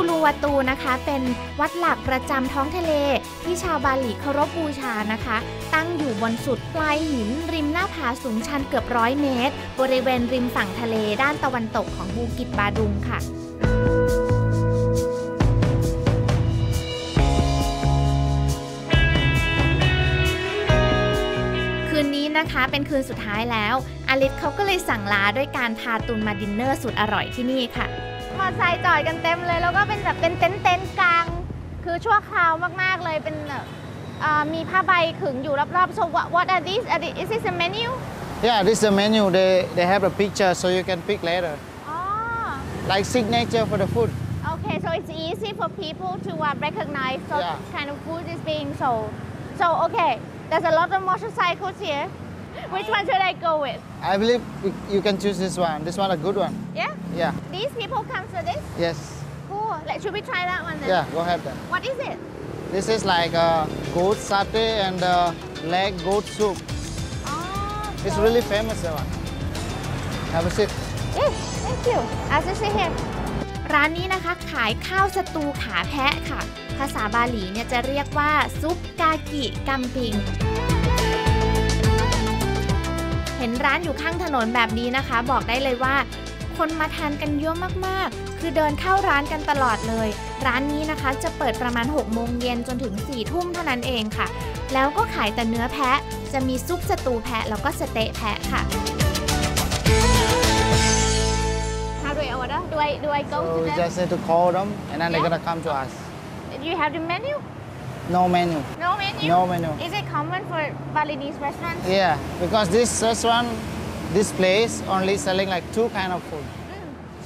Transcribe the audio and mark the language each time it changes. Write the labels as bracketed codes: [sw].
[th] วัตูนะคะเป็นวัดหลักประจำท้องทะเลที่ชาวบาหลีเคารพบูชานะคะตั้งอยู่บนสุดปลายหินริมหน้าผาสูงชันเกือบ100เมตรบริเวณริมฝั่งทะเลด้านตะวันตกของบูกิตบาดุงค่ะคืนนี้นะคะเป็นคืนสุดท้ายแล้วอาลิศเขาก็เลยสั่งลาด้วยการพาตุนมาดินเนอร์สุดอร่อยที่นี่ค่ะ มอเตอร์ไซค์จอดกันเต็มเลยแล้วก็เป็นแบบเป็นเต็นท์กลางคือชั่วคราวมากๆเลยเป็นมีผ้าใบขึงอยู่รอบๆ [en] so what are these are the, is this a menu yeah this is a menu they have a picture so you can pick later oh like signature for the food okay so it's easy for people to recognize so yeah. kind of food is being sold so okay there's a lot of motorcycles here which one should I go with I believe you can choose this one a good one yeah these people come for this yes cool like should we try that one then yeah go have that what is it this is like a goat satay and a leg goat soup oh, it's so really famous that one have a seat yes thank you I'll just sit here [th] ร้านนี้นะคะขายข้าวสตูขาแพะค่ะภาษาบาหลีเนี่ยจะเรียกว่าซุปกากิกัมปิงเห็นร้านอยู่ข้างถนนแบบนี้นะคะบอกได้เลยว่าคนมาทานกันเยอะมากๆคือเดินเข้าร้านกันตลอดเลยร้านนี้นะคะจะเปิดประมาณ6โมงเย็นจนถึง4ทุ่มเท่านั้นเองค่ะแล้วก็ขายแต่เนื้อแพะจะมีซุปสตูแพะแล้วก็สเต๊ะแพะค่ะ [en] How do I order? Do I go so to them? We just need to call them and then they're gonna come to us. Do you have the menu? No menu. No menu? Is it common for Balinese restaurants? Yeah, because this restaurant, this place only selling like two kind of food. Mm.